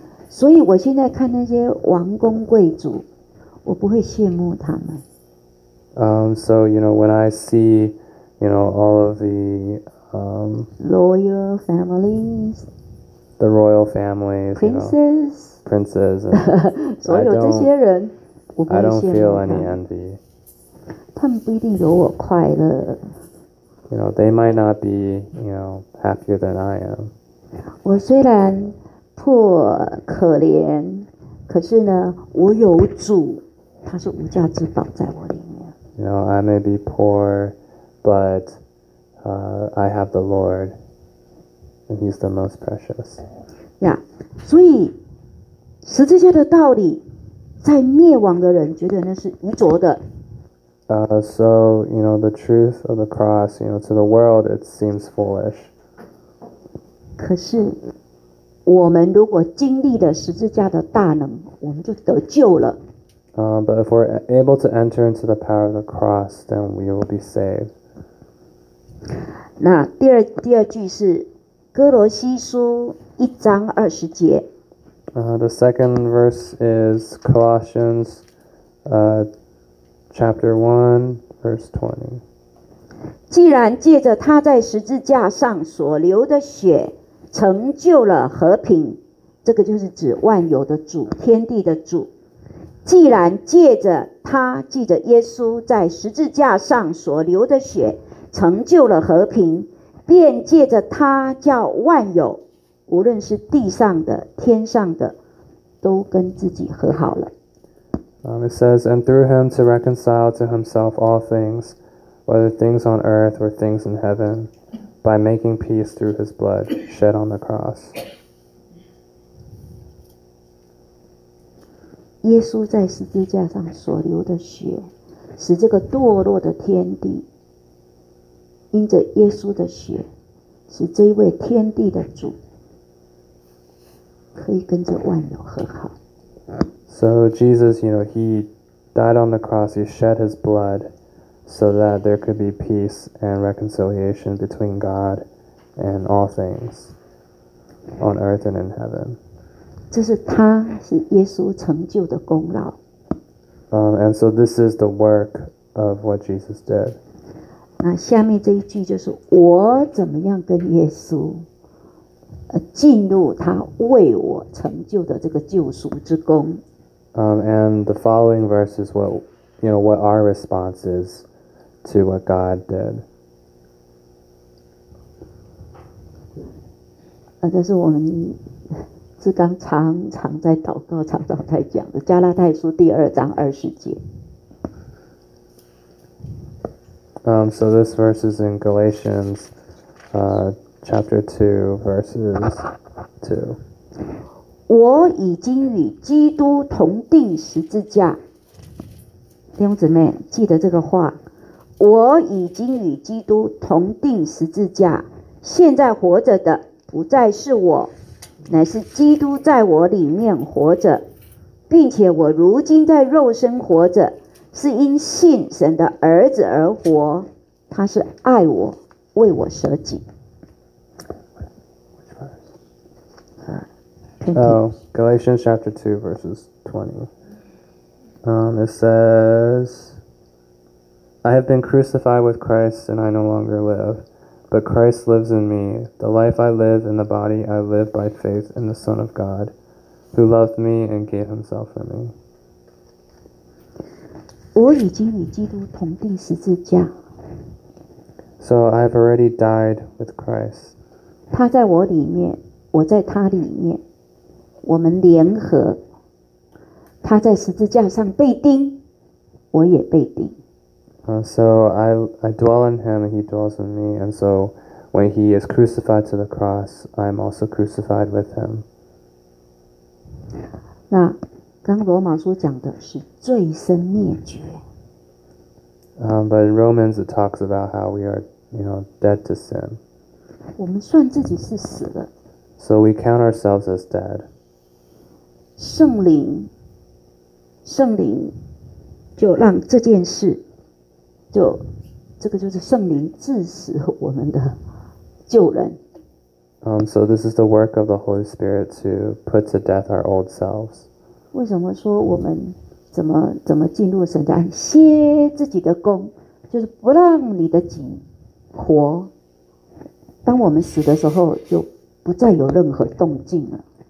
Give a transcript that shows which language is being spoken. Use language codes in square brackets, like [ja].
[zh] 所以我现在看那些王公贵族，我不会羡慕他们。 [en] So, you know, when I see, you know, all of the... Royal families. The royal families. Princes. You know, princes. And [zh] 所有这些人，我不会羡慕他。 [en] I don't feel any envy. [zh] 他们不一定有我快乐。 [en] You know, they might not be, you know, happier than I am. [zh] 我虽然破可怜，可是呢，我有主，他是无价之宝在我里面。 [en] You know, I may be poor, but... I have the Lord, and He's the most precious. [zh] Yeah, 所以十字架的道理，在灭亡的人觉得那是愚拙的。 [en] So you know the truth of the cross, you know, to the world it seems foolish. [zh] 可是我们如果经历了十字架的大能，我们就得救了。 [en] But if we're able to enter into the power of the cross, then we will be saved. [zh] 那第二句是哥罗西书一章二十节。 [en] The second verse is Colossians, chapter 1, verse 20. [zh] 既然借着他在十字架上所流的血成就了和平，这个就是指万有的主，天地的主。既然借着他，记着耶稣在十字架上所流的血。成就了和平，便借着他叫万有，无论是地上的、天上的，都跟自己和好了。 [en] It says, and through him to reconcile to himself all things, whether things on earth or things in heaven, by making peace through his blood shed on the cross. [zh] 耶稣在十字架上所流的血，使这个堕落的天地。因着耶稣的血，使这一位天地的主可以跟着万有和好。 [en] So Jesus, you know, he died on the cross. He shed his blood so that there could be peace and reconciliation between God and all things on earth and in heaven. [zh] 这是他是耶稣成就的功劳。 [en] And so this is the work of what Jesus did. [zh] 那下面这一句就是我怎么样跟耶稣，进入他为我成就的这个救赎之功。 [en] And the following verse is what, you know, what our response is to what God did. [zh] 这是我们志刚常常在祷告、常常在讲的《加拉太书》第二章二十节。 [en] So this verse is in Galatians, chapter 2, verses 2. [zh] 我已经与基督同钉十字架。弟兄姊妹，记得这个话。我已经与基督同钉十字架。现在活着的不再是我，乃是基督在我里面活着，并且我如今在肉身活着。是因信神的儿子而活，他是爱我，为我舍己。 [en] Galatians chapter 2, verses 20. It says, I have been crucified with Christ, and I no longer live, but Christ lives in me. The life I live in the body, I live by faith in the Son of God, who loved me and gave himself for me. [zh] 我已经与基督同钉十字架。 [en] So I've already died with Christ. [zh] 他在我里面，我在他里面，我们联合。他在十字架上被钉，我也被钉。 [en] So I dwell in him and he dwells in me. And so when he is crucified to the cross, I'm also crucified with him. [zh] 那刚罗马书讲的是罪身灭绝。 [en] But in Romans it talks about how we are, you know, dead to sin. [zh] 我们算自己是死了。 [en] So we count ourselves as dead. [zh] 圣灵就让这件事就这个就是圣灵致使我们的救人。 [en] So this is the work of the Holy Spirit to put to death our old selves. [zh] 为什么说我们怎么进入神的爱，歇自己的功，就是不让你的己活，当我们死的时候就不再有任何动静了。